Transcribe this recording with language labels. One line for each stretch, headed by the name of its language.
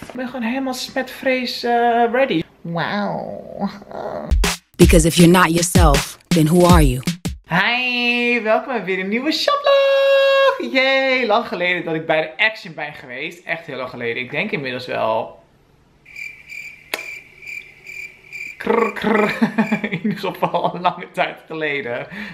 Dutch: Ik ben gewoon helemaal smetvrees ready. Wow.
English: Because if you're not yourself, then who are you?
Dutch: Hi, welkom bij weer een nieuwe shoplog. Yay, lang geleden dat ik bij de Action ben geweest. Echt heel lang geleden. Ik denk inmiddels wel. Krr, krr. In ieder geval al een lange tijd geleden.